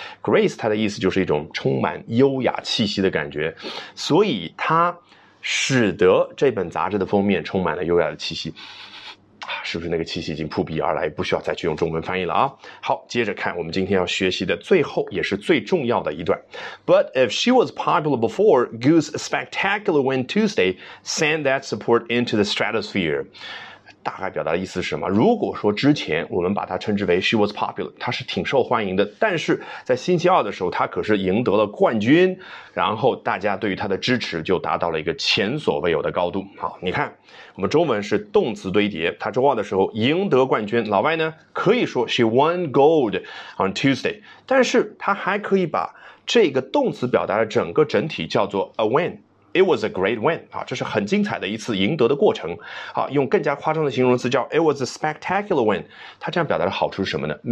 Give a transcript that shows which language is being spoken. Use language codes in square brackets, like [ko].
[zh] grace 它的意思就是一种充满优雅气息的感觉，所以它使得这本杂志的封面充满了优雅的气息。是不是那个气息已经扑鼻而来，不需要再去用中文翻译了啊？好，接着看我们今天要学习的最后也是最重要的一段。 [en] But if she was popular before, Gu's spectacular win Tuesday sent that support into the stratosphere. [zh] 大概表达的意思是什么？如果说之前我们把它称之为 [en] she was popular, [zh] 她是挺受欢迎的，但是在星期二的时候她可是赢得了冠军，然后大家对于她的支持就达到了一个前所未有的高度。好，你看我们中文是动词堆叠，他周二的时候赢得冠军，老外呢可以说 [en] she won gold on Tuesday, [zh] 但是他还可以把这个动词表达的整个整体叫做 [en] a win, it was a great win, [zh] 啊，这是很精彩的一次赢得的过程，啊，用更加夸张的形容词叫 [en] it was a spectacular win, [zh] 他这样表达的好处是什么呢？